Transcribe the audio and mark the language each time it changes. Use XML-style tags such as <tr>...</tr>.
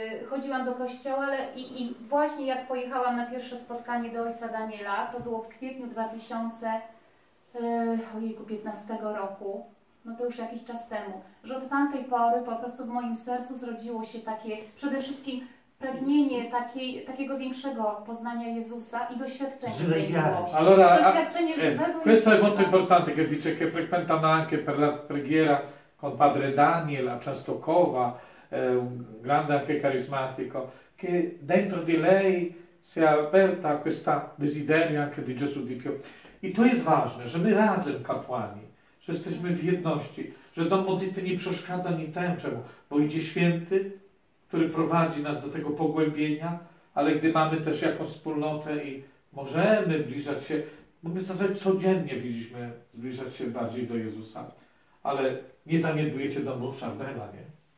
<pl>Chodziłam do kościoła i właśnie jak pojechałam na pierwsze spotkanie do ojca Daniela, to było w kwietniu 2015 roku, no to już jakiś czas temu, że od tamtej pory po prostu w moim sercu zrodziło się takie przede wszystkim pragnienie takiego większego poznania Jezusa i doświadczenia żywej miłości.</pl> <it>Allora,</it> <pl>doświadczenie żywego Jezusa.</pl> <it>Questo è molto importante, che dice che frequentano anche per la preghiera con padre Daniel a Częstochowa, un grande anche carismatico, che dentro di lei si è aperta questa desiderio anche di Gesù di più.</it> <pl>I to jest ważne, że my razem kapłani, że jesteśmy w jedności, że dom modlitwy nie przeszkadza ni tęczemu, bo idzie święty, który prowadzi nas do tego pogłębienia, ale gdy mamy też jakąś wspólnotę i możemy zbliżać się, bo my w zasadzie codziennie widzimy zbliżać się bardziej do Jezusa, ale nie zaniedbujecie domu Szarbela, nie?</pl>